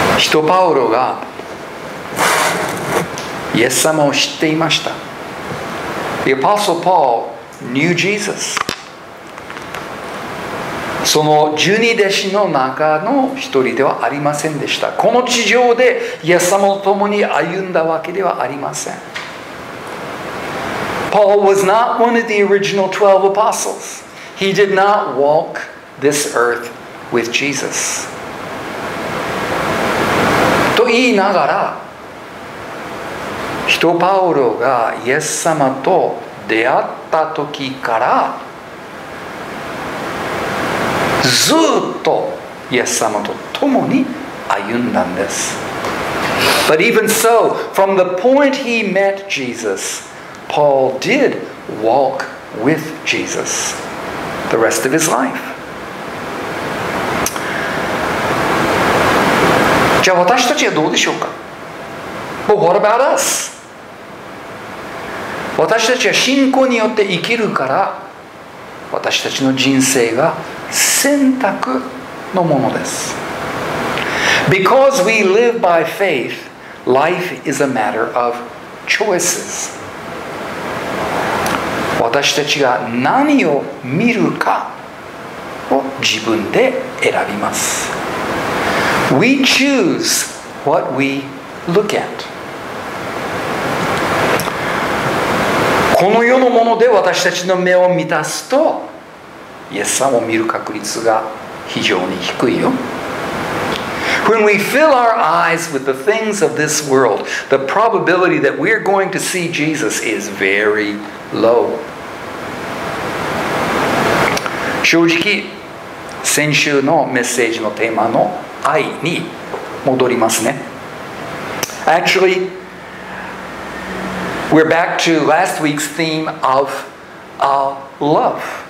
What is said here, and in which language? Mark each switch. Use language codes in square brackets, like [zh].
[ja] パウロがイエス様を知っていました。 [en] The Apostle Paul knew Jesus. [ja] その十二弟子の中の一人ではありませんでした。この地上でイエス様と共に歩んだわけではありません。 [en] Paul was not one of the original 12 apostles. He did not walk this earth with Jesus. [ja] と言いながら、人パウロがイエス様と出会った時からずっとイエス様と共に歩んだんです。 [en] But even so, from the point he met Jesus, Paul did walk with Jesus the rest of his life. [ja] じゃあ私たちはどうでしょうか? [en] But what about us? [ja] 私たちは信仰によって生きるから、私たちの人生が選択のものです。 [en] Because we live by faith, life is a matter of choices. [ja] 私たちが何を見るかを自分で選びます。 [en] We choose what we look at. [ja] この世のもので私たちの目を満たすと、イエス様を見る確率が非常に低いよ。 [en] When we fill our eyes with the things of this world, the probability that we're going to see Jesus is very low. [ja] 正直、先週のメッセージのテーマの愛に戻りますね。 [en] Actually, we're back to last week's theme of love.